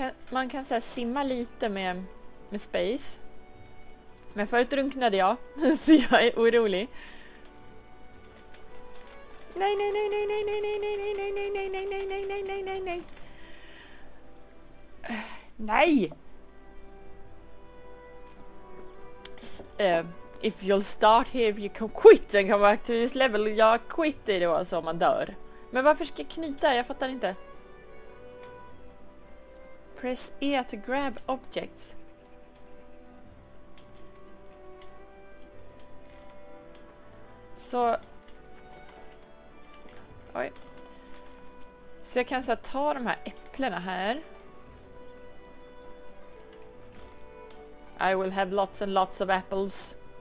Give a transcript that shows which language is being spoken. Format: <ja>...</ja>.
<sv>Man kan så här simma lite med space. Men förut drunknade jag, så jag är orolig. Nej, nej, nej, nej, nej, nej, nej, nej, nej, nej, nej, nej, nej, nej, nej, nej, nej, nej, nej. Nej!</sv> <en>If you'll start here, if you can quit, then come back to this level.</en> <sv>Jag quitter då, så man dör. Men varför ska jag knyta? Jag fattar inte.</sv> <en>Press E to grab objects.</en> <sv>Så... Oj. Så jag kan så här, ta de här äpplena här.</sv> <en>I will have lots and lots of apples.</en>